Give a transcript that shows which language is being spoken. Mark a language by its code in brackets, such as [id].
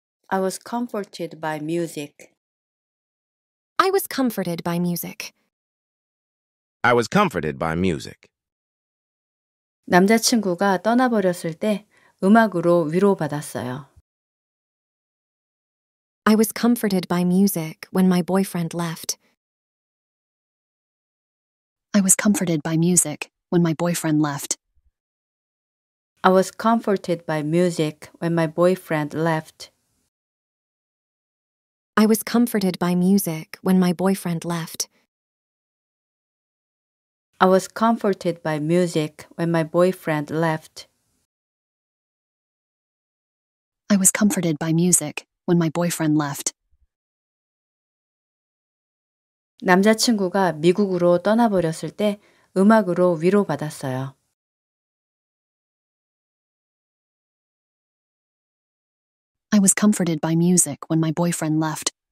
[en] I was comforted by music. I was comforted by music. I was comforted by music. [ko] 남자친구가 떠나버렸을 때 음악으로 위로받았어요. [en] I was comforted by music when my boyfriend left. I was comforted by music when my boyfriend left. I was comforted by music when my boyfriend left. I was comforted by music when my boyfriend left. I was comforted by music when my boyfriend left. I was comforted by music when my boyfriend left. [ko] 남자친구가 미국으로 떠나버렸을 때 음악으로 위로받았어요. [en] I was comforted by music when my boyfriend left.